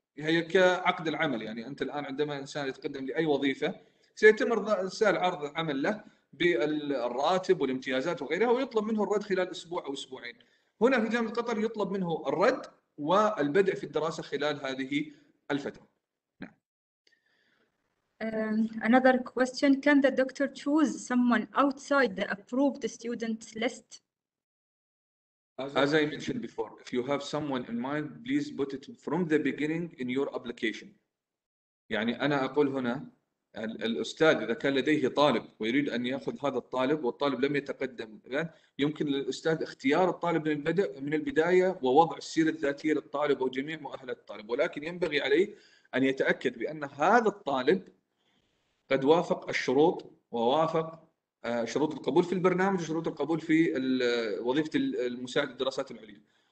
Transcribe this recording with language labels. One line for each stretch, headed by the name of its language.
Arabic: هي كعقد العمل يعني، أنت الآن عندما إنسان يتقدم لأي وظيفة سيتم إرسال عرض عمل له بالراتب والامتيازات وغيرها، ويطلب منه الرد خلال أسبوع أو أسبوعين. هنا في جامعة قطر يطلب منه الرد والبدء في الدراسة خلال هذه الفترة.
English: Another question: can the doctor choose someone outside the approved student list? As I mentioned before, if you have someone in mind, please put it from the beginning in your application.
Arabic: يعني أنا أقول هنا الأستاذ إذا كان لديه طالب ويريد أن يأخذ هذا الطالب والطالب لم يتقدم، يمكن للأستاذ اختيار الطالب من البداية ووضع السيرة الذاتية للطالب وجميع مؤهلات الطالب، ولكن ينبغي عليه أن يتأكد بأن هذا الطالب قد وافق الشروط ووافق شروط القبول في البرنامج وشروط القبول في وظيفة المساعد للدراسات العليا.